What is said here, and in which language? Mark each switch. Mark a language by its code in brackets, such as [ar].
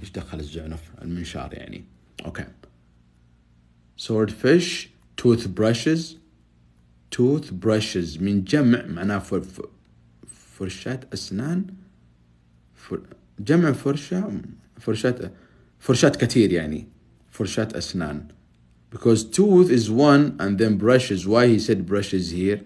[ar] إيش دخل الزعنف المنشار يعني. [en] Okay. Swordfish, toothbrushes. [ar] Toothbrushes من جمع معناه فرشاة أسنان. جمع فرشة فرشاة كثير يعني. فرشاة أسنان. [en] Because tooth is one and then brushes. Why he said brushes here?